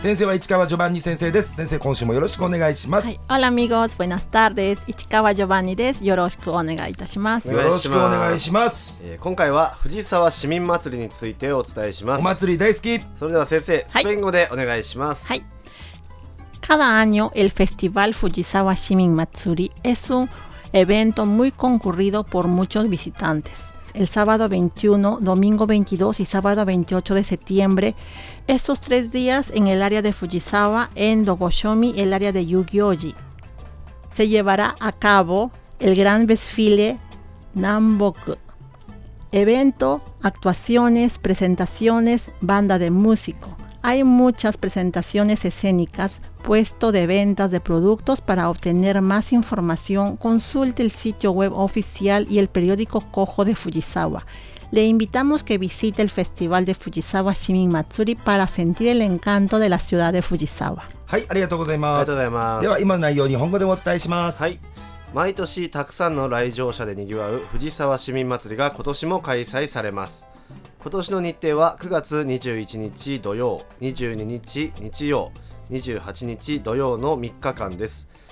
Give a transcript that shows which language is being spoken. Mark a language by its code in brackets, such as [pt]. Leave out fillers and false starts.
[ja] 先生は市川ジョバンニ先生です。先生、今週もよろしくお願いします。 [es] オラミゴス、ブエナスタル [ja] です。市川ジョバンニです。よろしくお願いいたします。よろしくお願いします。今回は藤沢市民祭りについてお伝えします。お祭り大好き。それでは先生、スペイン語でお願いします。はい。 [es] Cada año el Festival Fujisawa Shimin Matsuri es un evento muy concurrido por muchos visitantes. El sábado 21, domingo 22 y sábado 28 de septiembre, estos tres días en el área de Fujisawa, en Dogoshomi, el área de Yugioji, se llevará a cabo el gran desfile Namboku. Evento, actuaciones, presentaciones, banda de músico. Hay muchas presentaciones escénicas, puesto de ventas de productos. Para obtener más información, consulte el sitio web oficial y el periódico Kojo de Fujisawa. Le invitamos que visite el Festival de Fujisawa Shimin Matsuri para sentir el encanto de la ciudad de Fujisawa. [ja] はい、ありがとうございます。ありがとうございます。では今の内容日本語でお伝えします。はい。毎年たくさんの来場者でにぎわう Fujisawa Shimin Matsuri が今年も開催されます。今年の日程は9月21日土曜、22日日曜、28日土曜の3日間です。